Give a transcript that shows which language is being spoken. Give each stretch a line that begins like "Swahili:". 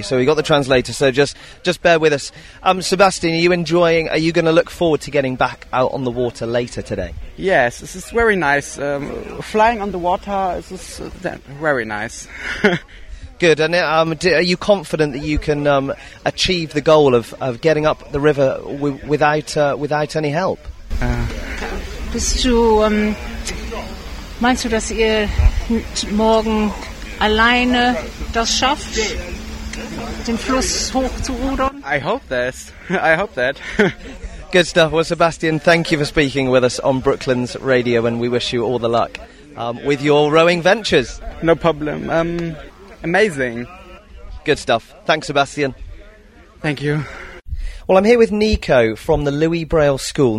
English: So we've got the translator, so just bear with us. Sebastian, are you going to look forward to getting back out on the water later today? Yes, this is very nice. Flying on the water is very nice. Good. And are you confident that you can achieve the goal of getting up the river without any help?
German: Bist du, meinst du, dass ihr morgen alleine das schafft, den Fluss hochzurudern?
English: I hope this. I hope that. Good stuff. Well, Sebastian, thank you for speaking with us on Brooklyn's Radio, and we wish you all the luck with your rowing ventures. No problem. Amazing. Good stuff. Thanks, Sebastian. Thank you. Well, I'm here with Nico from the Louis Braille School.